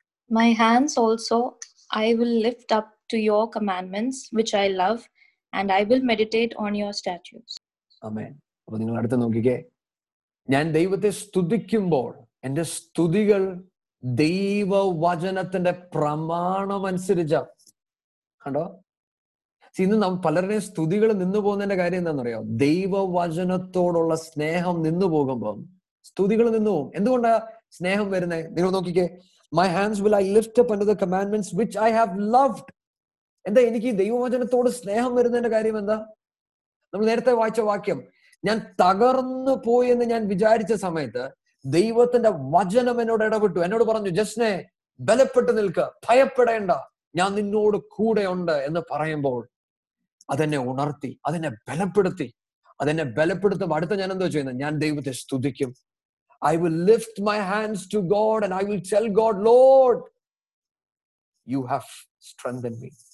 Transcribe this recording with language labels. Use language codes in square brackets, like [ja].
[en] My hands also I will lift up to your commandments which I love, and I will meditate on your statutes. Amen. [ml] അപ്പോൾ നിങ്ങൾ അടുത്ത നോക്കിക്കേ, ഞാൻ ദൈവത്തെ സ്തുതിക്കുമ്പോൾ എൻ്റെ സ്തുതികൾ ദൈവവചനത്തിന്റെ പ്രമാണം അനുസരിച്ച കണ്ടോ. ഇന്ന് നാം പലരുടെയും സ്തുതികൾ നിന്നു പോകുന്നതിന്റെ കാര്യം എന്താണെന്നറിയോ, ദൈവവചനത്തോടുള്ള സ്നേഹം നിന്നു പോകുമ്പോൾ സ്തുതികൾ നിന്നു പോകും. എന്തുകൊണ്ടാ സ്നേഹം വരുന്നത്? നിങ്ങൾ നോക്കിക്കേ, [en] My hands will I lift up under the commandments which I have loved. [ml] എന്താ എനിക്ക് ദൈവവചനത്തോട് സ്നേഹം വരുന്നതിന്റെ കാര്യം എന്താ? നമ്മൾ നേരത്തെ വായിച്ച വാക്യം, ഞാൻ തകർന്നു പോയി എന്ന് ഞാൻ വിചാരിച്ച സമയത്ത് ദൈവത്തിന്റെ വചനം എന്നോട് ഇടപെട്ടു, എന്നോട് പറഞ്ഞു, ജസ്നെ ബലപ്പെട്ട് നിൽക്ക, ഭയപ്പെടേണ്ട, ഞാൻ നിന്നോട് കൂടെയുണ്ട് എന്ന് പറയുമ്പോൾ അതെന്നെ ഉണർത്തി, അതെന്നെ ബലപ്പെടുത്തി. അതെന്നെ ബലപ്പെടുത്തും അടുത്ത ഞാൻ എന്തോ ചെയ്യുന്നത്, ഞാൻ ദൈവത്തെ സ്തുതിക്കും. [en] I will lift my hands to God and I will tell God, Lord, you have strengthened me.